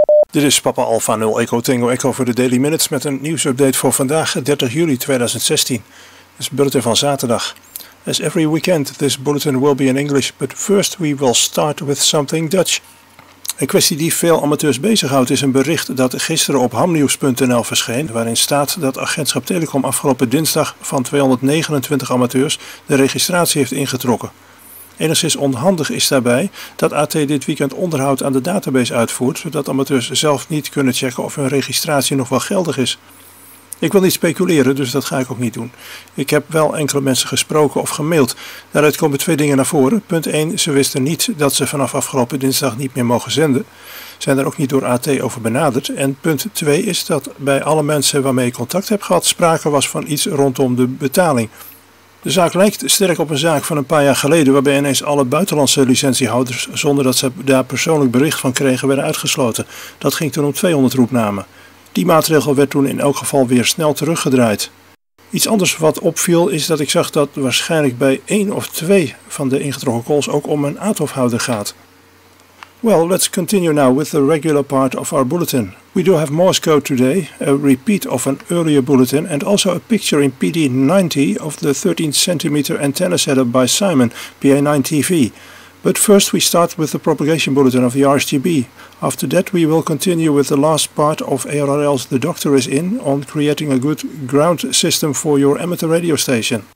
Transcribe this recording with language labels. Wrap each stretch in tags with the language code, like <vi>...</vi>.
<nl>Dit is Papa Alpha 0 Echo Tango Echo voor de Daily Minutes met een nieuwsupdate voor vandaag, 30 juli 2016. Het is bulletin van zaterdag.</nl> <en>As every weekend, this bulletin will be in English, but first we will start with something Dutch.</en> <nl>Een kwestie die veel amateurs bezighoudt is een bericht dat gisteren op hamnieuws.nl verscheen, waarin staat dat Agentschap Telecom afgelopen dinsdag van 229 amateurs de registratie heeft ingetrokken. Enigszins onhandig is daarbij dat AT dit weekend onderhoud aan de database uitvoert, zodat amateurs zelf niet kunnen checken of hun registratie nog wel geldig is. Ik wil niet speculeren, dus dat ga ik ook niet doen. Ik heb wel enkele mensen gesproken of gemaild. Daaruit komen twee dingen naar voren. Punt 1, ze wisten niet dat ze vanaf afgelopen dinsdag niet meer mogen zenden. Zijn er ook niet door AT over benaderd. En punt 2 is dat bij alle mensen waarmee ik contact heb gehad, sprake was van iets rondom de betaling. De zaak lijkt sterk op een zaak van een paar jaar geleden waarbij ineens alle buitenlandse licentiehouders zonder dat ze daar persoonlijk bericht van kregen werden uitgesloten. Dat ging toen om 200 roepnamen. Die maatregel werd toen in elk geval weer snel teruggedraaid. Iets anders wat opviel is dat ik zag dat waarschijnlijk bij 1 of 2 van de ingetrokken calls ook om een aathofhouder gaat.</nl> <en>Well, let's continue now with the regular part of our bulletin. We do have Morse code today, a repeat of an earlier bulletin, and also a picture in PD90 of the 13-centimeter antenna setup by Simon, PA9TV. But first we start with the propagation bulletin of the RSGB. After that we will continue with the last part of ARRL's The Doctor Is In on creating a good ground system for your amateur radio station.</en>